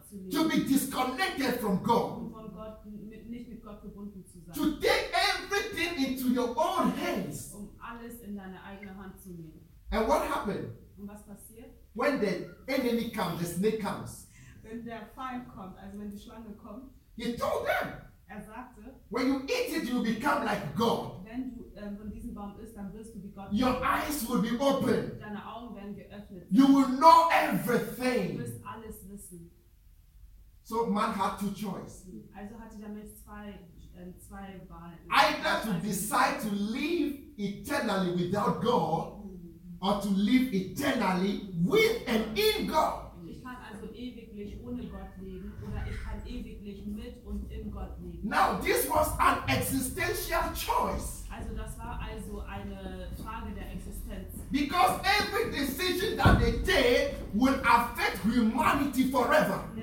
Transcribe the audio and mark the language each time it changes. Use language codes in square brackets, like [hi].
[en] To be disconnected from God. [de] Von Gott, nicht mit Gott verbunden zu sein. [en] To take everything into your own hands. [de] Um alles in deine eigene Hand zu nehmen. [en] And what happened? [de] Und was passiert? [en] When the enemy comes, the snake comes. [de] Wenn der Feind kommt, also wenn die Schlange kommt. [en] He told them. [de] Er sagte. [en] When you eat it, you become like God. [de] Wenn du von diesem Baum isst, dann wirst du wie Gott. [en] Your eyes will be open. [de] Deine Augen werden geöffnet. [en] You will know everything. [de] Du wirst alles wissen. [en] So man had two choices. [de] Also hatte der Mensch zwei Wahlen. [en] Either to decide to live eternally without God or to live eternally with and in God. [de] Ich kann also ewiglich ohne Gott leben oder ich kann ewiglich mit und in Gott leben. [en] Now this was an existential choice. [de] Also das war also eine Frage der Existenz. [en] Because every decision that they take will affect humanity forever.